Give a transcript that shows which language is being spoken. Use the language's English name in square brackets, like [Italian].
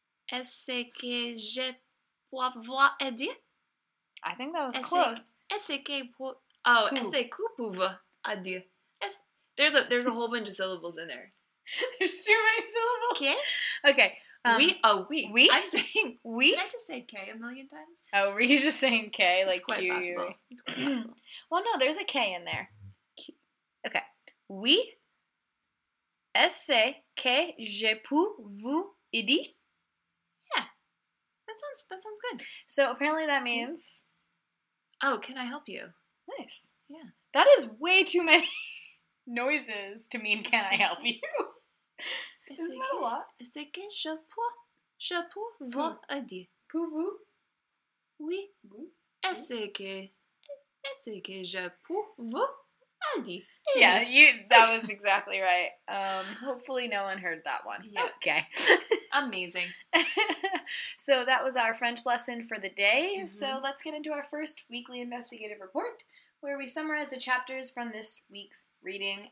[French] Est-ce que je pouvais aider? [English] I think that was close. [French] Est-ce que vous pouvez aider? [English] There's a whole bunch of syllables in there. There's too many syllables. Okay. Okay. We. I'm saying we. Did I just say K a million times? Oh, were you just saying K? Like Q? It's quite possible. Well, no, there's a K in there. Okay. We. [French] Est-ce que je peux vous aider? [English] Yeah. That sounds good. So apparently that means. Oh, can I help you? Nice. Yeah. That is way too many. Noises to mean, can I help you? Isn't that a lot? [French] Est-ce que je peux vous aider? Pouvez-vous? Oui. Est-ce que je peux vous aider? [English] Yeah, that was exactly right. Hopefully no one heard that one. Yeah. Okay. Amazing. So that was our French lesson for the day. Mm-hmm. So let's get into our first weekly investigative report, where we summarize the chapters from this week's reading.